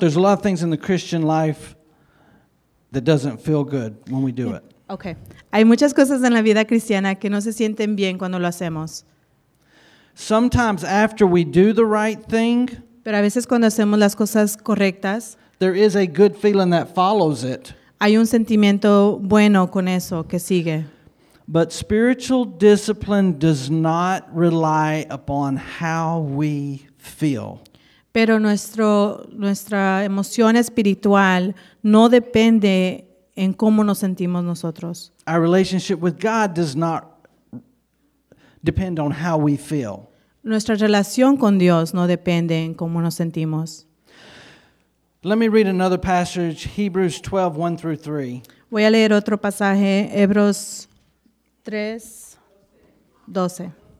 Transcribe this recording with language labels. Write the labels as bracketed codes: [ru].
[en] There's a lot of things in the Christian life that doesn't feel good when we do it. Okay. [es] Hay muchas cosas en la vida cristiana que no se sienten bien cuando lo hacemos. [en] Sometimes after we do the right thing, [es] pero a veces cuando hacemos las cosas correctas, [en] there is a good feeling that follows it. [es] Hay un sentimiento bueno con eso que sigue. [en] But spiritual discipline does not rely upon how we feel. [es] Pero nuestra emoción espiritual no depende en cómo nos sentimos nosotros. [en] Our relationship with God does not depend on how we feel. [es] Nuestra relación con Dios no depende en cómo nos sentimos. [en] Let me read another passage, Hebrews 12, 1 through 3. [es] Voy a leer otro pasaje, Hebreos 3, 12.